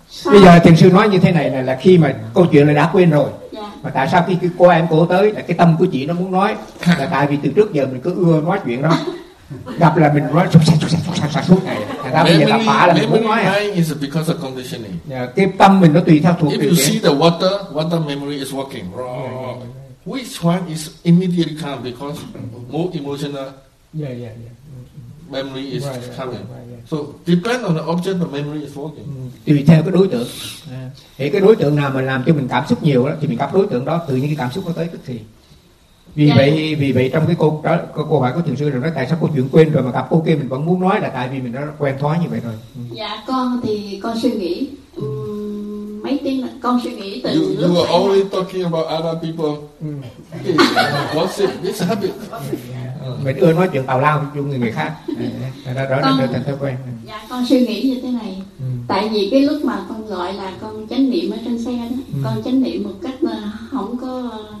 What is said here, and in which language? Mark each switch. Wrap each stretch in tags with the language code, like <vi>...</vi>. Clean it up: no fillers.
<vi>Bây giờ thiền sư nói như thế này là khi mà câu chuyện là đã quên rồi. Mà tại sao khi cô em cô tới là cái tâm của chị nó muốn nói là tại vì từ trước giờ mình cứ ưa nói chuyện đó, gặp là mình nói sục sạch sục sạch sục sạch suốt ngày. Thành ra bây giờ là phá là mình muốn nói.</vi> <en>Is because of conditioning.</en> <vi>Yeah, cái tâm mình nó tùy theo thuộc.</vi> <en>If you see the water memory is working. Which one is immediately come because more emotional? Yeah. Memory is coming. So depend on the object, the memory is working.</en> <vi>Tùy theo cái đối tượng. Thì cái đối tượng nào mà làm cho mình cảm xúc nhiều đó, thì mình gặp đối tượng đó, tự nhiên cái cảm xúc nó tới tức thì. Vì vậy trong cái câu hỏi của thiền sư là nói tại sao cô chuyện quên rồi mà gặp ok mình vẫn muốn nói là tại vì mình đã quen thói như vậy rồi. Dạ con thì con suy nghĩ mấy tiếng là con suy nghĩ từ lúc</vi> <en>you were only talking about other people. Gossip, this habit.</en> <vi>Mình ưa nói chuyện tào lao chung người khác. Đó đó nên thành thói quen. Dạ con suy nghĩ như thế này. Tại vì cái lúc mà con gọi là con chánh niệm ở trên xe đó, con chánh niệm một cách mà không có</vi>